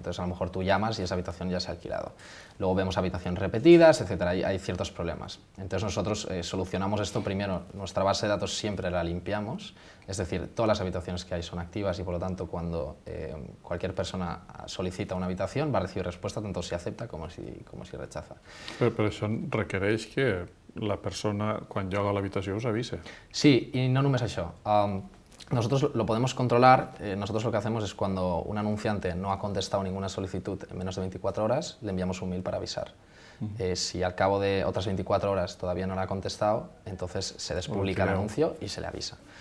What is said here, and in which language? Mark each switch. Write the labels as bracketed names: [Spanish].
[Spanish] Entonces a lo mejor tú llamas y esa habitación ya se ha alquilado. Luego vemos habitaciones repetidas, etcétera. Hay ciertos problemas. Entonces nosotros solucionamos esto primero. Nuestra base de datos siempre la limpiamos. Es decir, todas las habitaciones que hay son activas y por lo tanto cuando cualquier persona solicita una habitación va a recibir respuesta tanto si acepta como si rechaza. Pero eso [Catalan] requereix que la persona, quan lloga a l'habitació, us avisa. Sí, i no només això. [Spanish] Nosotros lo podemos controlar. Nosotros lo que hacemos es cuando un anunciante no ha contestado ninguna solicitud en menos de 24 horas, le enviamos un mail para avisar. Si al cabo de otras 24 horas todavía no la ha contestado, entonces se despublica el anuncio y se le avisa.